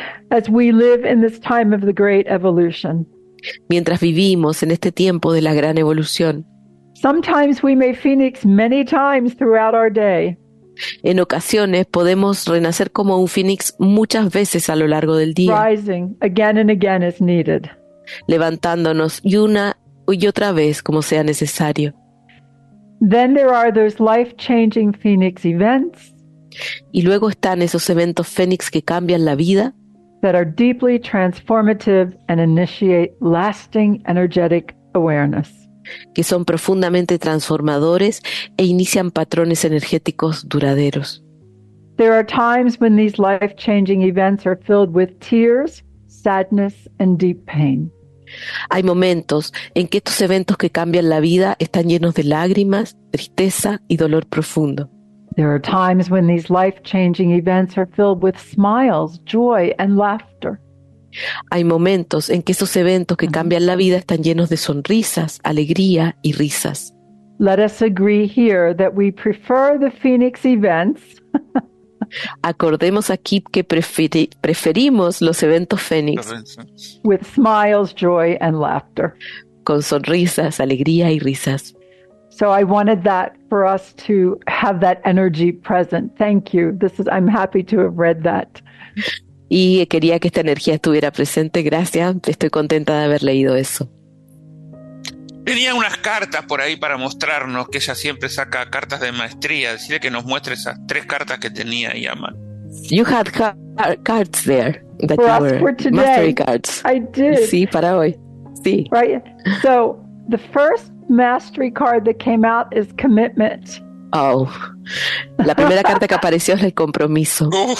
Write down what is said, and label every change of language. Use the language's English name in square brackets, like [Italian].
[English] As we live in this time of the great evolution. [Spanish] Mientras vivimos en este tiempo de la gran evolución. [English] Sometimes we may phoenix many times throughout our day. [Spanish] En ocasiones podemos renacer como un fénix muchas veces a lo largo del día. [English] Rising again and again as needed. [Spanish] Levantándonos y una y otra vez como sea necesario. [English] Then there are those life-changing phoenix events. [Spanish] Y luego están esos eventos fénix que cambian la vida. [English] That are deeply transformative and initiate lasting energetic awareness. [Spanish] Que son profundamente transformadores e inician patrones energéticos duraderos. [English] There are times when these life-changing events are filled with tears, sadness, and deep pain. [Spanish] Hay momentos en que estos eventos que cambian la vida están llenos de lágrimas, tristeza y dolor profundo. [English] There are times when these life-changing events are filled with smiles, joy, and laughter. [Spanish] Hay momentos en que esos eventos que cambian la vida están llenos de sonrisas, alegría y risas. [English] Let us agree here that we prefer the phoenix events. [Spanish] Acordemos aquí que preferimos los eventos fénix. [English] With smiles, joy, and laughter. [Spanish] Con sonrisas, alegría y risas. [English] So I wanted that for us to have that energy present. Thank you. I'm happy to have read that. [Spanish] Y quería que esta energía estuviera presente. Gracias. Estoy contenta de haber leído eso. Tenía unas cartas por ahí para mostrarnos, que ella siempre saca cartas de maestría. Decirle que nos muestre esas tres cartas que tenía ahí a mano. [English] You had cards there. That for you were us for today. Mastery cards. I did. [Spanish] Sí, para hoy. Sí. [English] Right. So the first mastery card that came out is commitment. [Spanish] Oh, la primera carta que apareció es el compromiso.